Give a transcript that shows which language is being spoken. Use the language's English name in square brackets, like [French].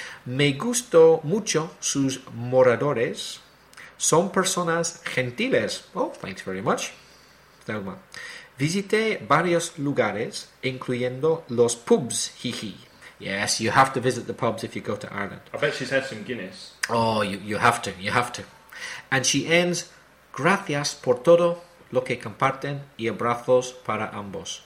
[Spanish] Me gustó mucho sus moradores. Son personas gentiles. [English] Oh, thanks very much, Thelma. [Spanish] Visité varios lugares, incluyendo los pubs. [English] Yes, you have to visit the pubs if you go to Ireland. I bet she's had some Guinness. Oh, you have to. And she ends, [Spanish] gracias por todo lo que comparten y abrazos para ambos.